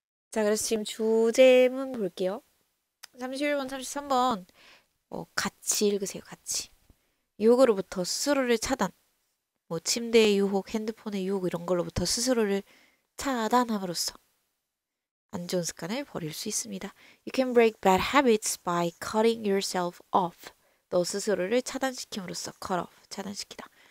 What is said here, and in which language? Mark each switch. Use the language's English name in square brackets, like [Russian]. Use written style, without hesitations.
[Korean] 자, 그래서 지금 주제문 볼게요. 31번, 33번. 같이 읽으세요, 같이. 유혹으로부터 스스로를 차단. 뭐, 침대의 유혹, 핸드폰의 유혹, 이런 걸로부터 스스로를 차단함으로써. 안 좋은 습관을 버릴 수 있습니다. [English] You can break bad habits by cutting yourself off. [Korean] 너 스스로를 차단시킴으로써 cut off, 차단시키다.